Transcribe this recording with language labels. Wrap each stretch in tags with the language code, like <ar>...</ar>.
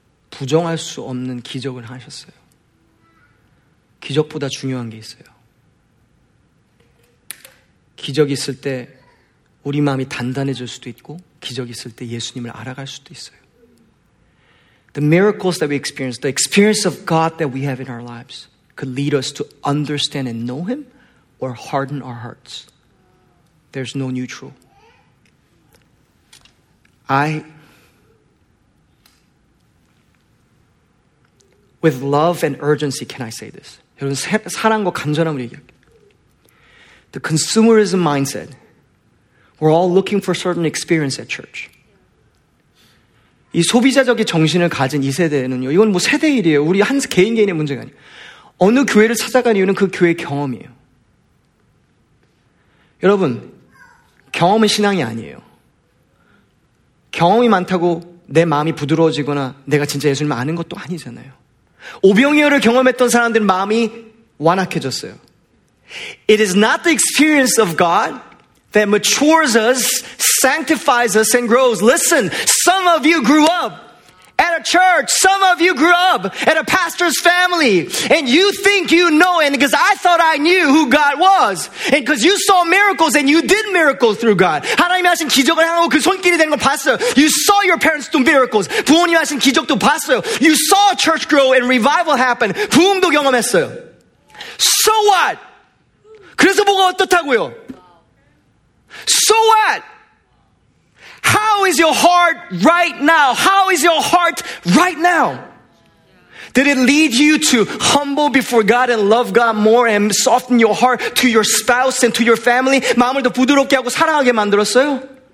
<ko>부정할 수 없는 기적을 하셨어요. 기적보다 중요한 게 있어요. 기적이 있을 때 우리 마음이 단단해질 수도 있고 기적이 있을 때 예수님을 알아갈 수도 있어요.</ko> <en>The miracles that we experience, the experience of God that we have in our lives could lead us to understand and know him or harden our hearts. There's no neutral. With love and urgency, can I say this?</en> <ko>여러분, 사랑과 간절함을 얘기할게요.</ko> <en>The consumerism mindset. We're all looking for certain experience at church.</en> <ko>이 소비자적인 정신을 가진 이 세대는요. 이건 뭐 세대 일이에요. 우리 한 개인의 문제가 아니에요. 어느 교회를 찾아간 이유는 그 교회의 경험이에요. 여러분, 경험은 신앙이 아니에요. 경험이 많다고 내 마음이 부드러워지거나 내가 진짜 예수님을 아는 것도 아니잖아요. 오병이어를 경험했던 사람들은 마음이 완악해졌어요.</ko> <en>It is not the experience of God that matures us, sanctifies us, and grows. Listen, some of you grew up at a church. Some of you grew up at a pastor's family. And you think you know, and because I thought I knew who God was. And because you saw miracles and you did miracles through God.</en> <ko>하나님이 하신 기적을 하고 그 손길이 되는 걸 봤어요.</ko> <en>You saw your parents do miracles.</en> <ko>부모님이 하신 기적도 봤어요.</ko> <en>You saw a church grow and revival happen.</en> <ko>부흥도 경험했어요.</ko> <en>So what?</en> <ko>그래서 뭐가 어떻다고요?</ko> <en>So what? How is your heart right now? How is your heart right now? Did it lead you to humble before God and love God more and soften your heart to your spouse and to your family?</en> <ko>마음을 더 부드럽게 하고 사랑하게 만들었어요?</ko>